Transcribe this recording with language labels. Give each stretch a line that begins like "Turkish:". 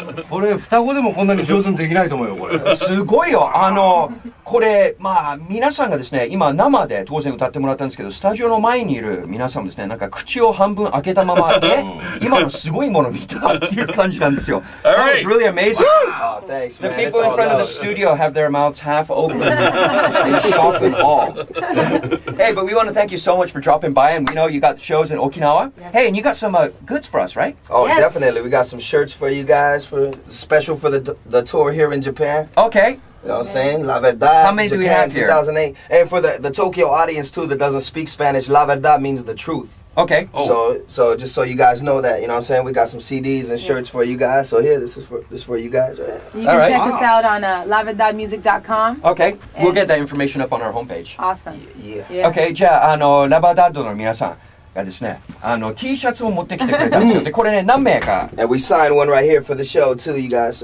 Japanese: これ双子でもこんなに上手にできないと思うよこれ。すごいよあのこれまあ皆さんがですね今生で当然歌ってもらったんですけどスタジオの前にいる皆さんもですねなんか口を半分開けたままで今のすごいもの見たっていう感じなんですよ。
English: All right. That was really amazing. Oh, thanks, man. The people in front of the studio have their mouths half open in shock and awe. Hey, but we want to thank you so much for dropping by and we know you got shows in Okinawa. Yes. Hey, and you got some goods for us, right? Oh, yes. Definitely. We got some shirts for you guys, for special for the tour here in Japan. Okay. You know what I'm saying? La Verdad. How many Japan, do we have here? 2008. And for the Tokyo audience, too, that doesn't speak Spanish, La Verdad means the truth. Okay. Oh. So just so you guys know that, you know what I'm saying? We got some CDs and shirts for you guys. So here, this is for you guys. You can check us out on laverdadmusic.com. Okay. We'll get that information up on our homepage. Awesome. Yeah.
Japanese: Okay, じゃあ、あの、ラバダッドの皆さん。がですね、あの T シャツを持ってきてくれたんですよ。で、これね、何名か。
English: And we signed one right here for the show too, you guys.